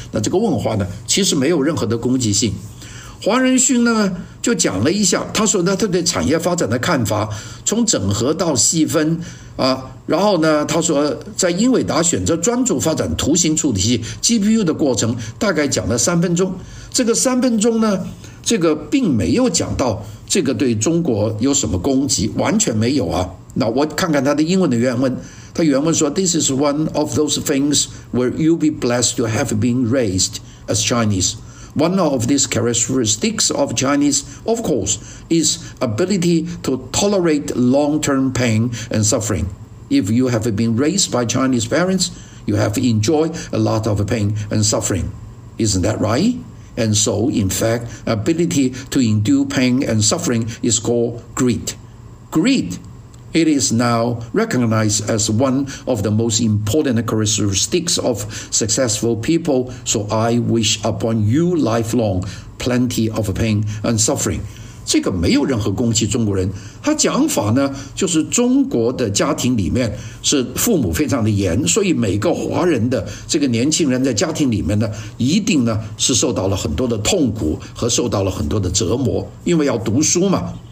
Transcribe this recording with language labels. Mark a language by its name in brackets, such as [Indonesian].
[Chinese] 那这个问话呢，其实没有任何的攻击性。黄仁勋呢就讲了一下，他说呢，他对产业发展的看法，从整合到细分啊，然后呢他说在英伟达选择专注发展图形处理器 GPU 的过程，大概讲了三分钟。这个三分钟呢，这个并没有讲到这个对中国有什么攻击，完全没有啊。那我看看他的英文的原文，他原文说 [English] This is one of those things where you'll be blessed to have been raised as Chinese. One of these characteristics of Chinese, of course, is ability to tolerate long-term pain and suffering. If you have been raised by Chinese parents, you have enjoyed a lot of pain and suffering. Isn't that right? And so, in fact, ability to endure pain and suffering is called grit. Grit, it is now recognized as one of the most important characteristics of successful people, so I wish upon you lifelong plenty of pain and suffering. [Chinese] 这个没有任何攻击中国人，他讲法呢，就是中国的家庭里面是父母非常的严，所以每个华人的这个年轻人在家庭里面呢，一定呢是受到了很多的痛苦和受到了很多的折磨，因为要读书嘛。